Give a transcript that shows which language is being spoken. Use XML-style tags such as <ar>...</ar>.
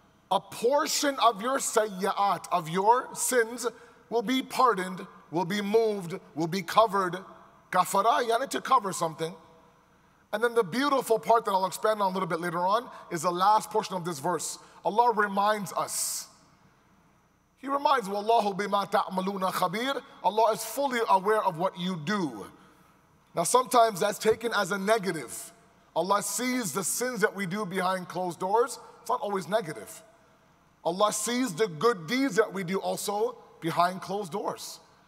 <en>A portion of your سَيَّآت, of your sins, will be pardoned, will be moved, will be covered. كَفَرَ, يعني to cover something. And then the beautiful part that I'll expand on a little bit later on is the last portion of this verse. Allah reminds us. He reminds,</en> <ar>وَاللَّهُ بِمَا تَعْمَلُونَ خَبِيرٌ.</ar> <en>Allah is fully aware of what you do. Now sometimes that's taken as a negative. Allah sees the sins that we do behind closed doors. It's not always negative. Allah sees the good deeds that we do also behind closed doors.</en>